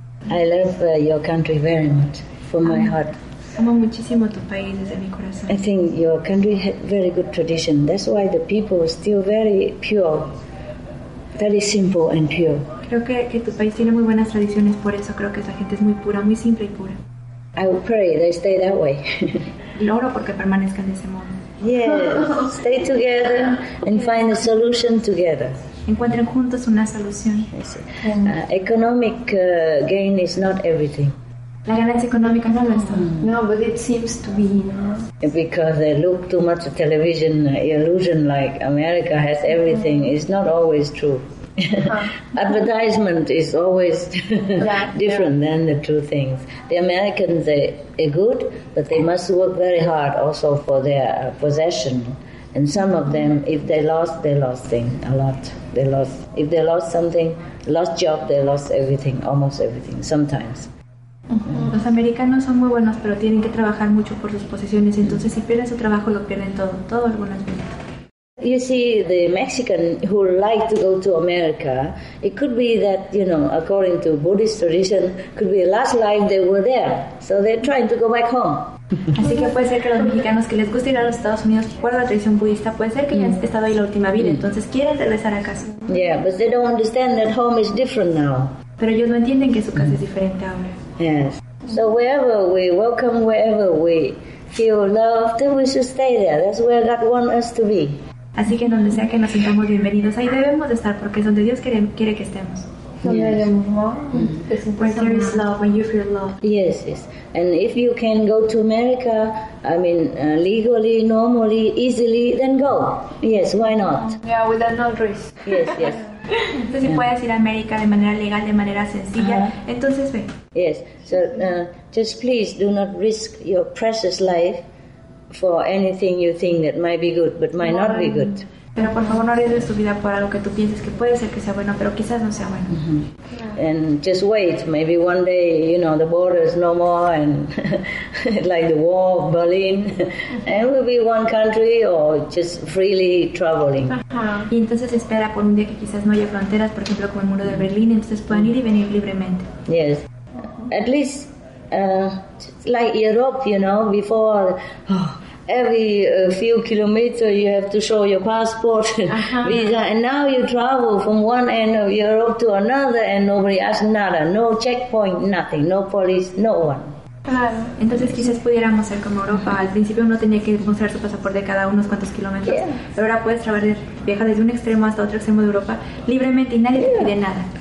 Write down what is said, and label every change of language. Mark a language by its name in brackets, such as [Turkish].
[English] I love your country very much, from my heart. [Spanish] Amo muchísimo tu país desde mi corazón. [English] I think your country has very good tradition. That's why the people are still very pure, very simple and pure. [Spanish] Creo que tu país tiene muy buenas tradiciones, por eso creo que esa gente es muy pura, muy simple y pura. [English] I will pray they stay that way. [Spanish] Loro porque permanezcan de ese modo. [English] Yes, stay together and find a solution together. [Spanish] Encuentren juntos una solución. [English] Economic gain is not everything. [Spanish] La ganancia económica no es todo. [English] No, but it seems to be. Because they look too much at television, illusion like America has everything. Mm. It's not always true. Advertisement is always different than the true things. The Americans are good, but they must work very hard also for their possession. And some of them, if they lost things a lot. If they lost something, lost job, they lost everything, almost everything, sometimes. Uh-huh. [Spanish] Los americanos son muy buenos, pero tienen que trabajar mucho por sus posesiones. Entonces, si pierden su trabajo, lo pierden todo. Todo algunas veces. [English] You see, the Mexican who like to go to America, it could be that, you know, according to Buddhist tradition, could be the last life they were there. So they're trying to go back home. [Spanish] Así que puede ser que los mexicanos que les gusta ir a los Estados Unidos, por la tradición budista, puede ser que hayan estado ahí la última vida. Entonces, quieren regresar a casa. [English] Yeah, but they don't understand that home is different now. [Spanish] Pero ellos no entienden que su casa es diferente ahora. [English] Yes. So wherever we welcome, wherever we feel loved, then we should stay there. That's where God wants us to be. [Spanish] Así que donde sea que nos sintamos bienvenidos, ahí debemos de estar porque es donde Dios quiere que estemos. [English] Yes. When there is love, when you feel love. Yes, yes. And if you can go to America, I mean, legally, normally, easily, then go. Yes, why not? Yeah, with no risk. Yes, yes. [Spanish] Entonces, si puedes ir a América de manera legal, de manera sencilla, entonces ve. [English] Yes, so just please do not risk your precious life for anything you think that might be good, but might not be good. [Spanish] Pero por favor no arriesgues tu vida por algo que tú pienses que puede ser que sea bueno, pero quizás no sea bueno. Mm-hmm. [English] And just wait, maybe one day, you know, the borders no more, and like the wall of Berlin, and we'll be one country or just freely traveling. Uh-huh. [Spanish] Y entonces espera por un día que quizás no haya fronteras, por ejemplo, como el muro de Berlín, entonces puedan ir y venir libremente. [English] Yes. Uh-huh. At least, like Europe, you know, before, every few kilometers you have to show your passport, visa, and now you travel from one end of Europe to another and nobody asks nada, no checkpoint, nothing, no police, no one. [Spanish] Claro. Entonces quizás pudiéramos ser como Europa. Al principio uno tenía que mostrar su pasaporte cada unos cuantos kilómetros. Yes. Pero ahora puedes viajar desde un extremo hasta otro extremo de Europa libremente y nadie te pide nada.